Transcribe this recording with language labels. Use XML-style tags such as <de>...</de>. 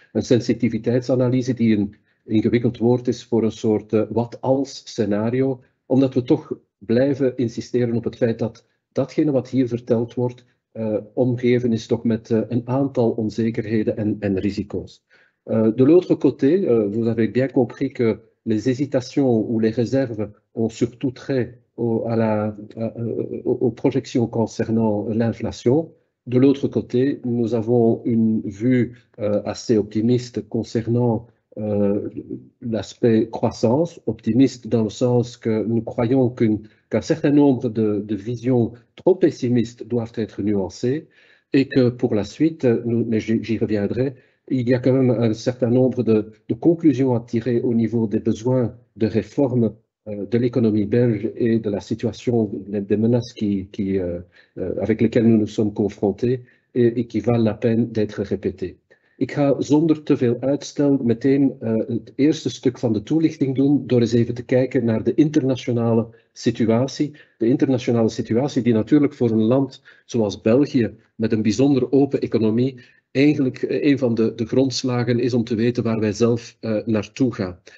<nl>Een sensitiviteitsanalyse die een ingewikkeld woord is voor een soort wat-als scenario. Omdat we toch blijven insisteren op het feit dat datgene wat hier verteld wordt, omgeven is toch met een aantal onzekerheden en risico's.</nl> <fr>De l'autre côté, vous avez bien compris que les hésitations ou les réserves ont surtout trait aux projections concernant l'inflation. De l'autre côté, nous avons une vue assez optimiste concernant l'aspect croissance, optimiste dans le sens que nous croyons qu'un certain nombre de visions trop pessimistes doivent être nuancées et que pour la suite, mais j'y reviendrai, il y a quand même un certain nombre de conclusions à tirer au niveau des besoins de réforme de l'économie belge et de la situation, des menaces avec lesquelles nous nous sommes confrontés et qui valent la peine d'être répétées.</fr> <nl>Ik ga zonder te veel uitstel meteen het eerste stuk van de toelichting doen door eens even te kijken naar de internationale situatie. De internationale situatie die natuurlijk voor een land zoals België met een bijzonder open economie eigenlijk een van de grondslagen is om te weten waar wij zelf naartoe gaan.</nl>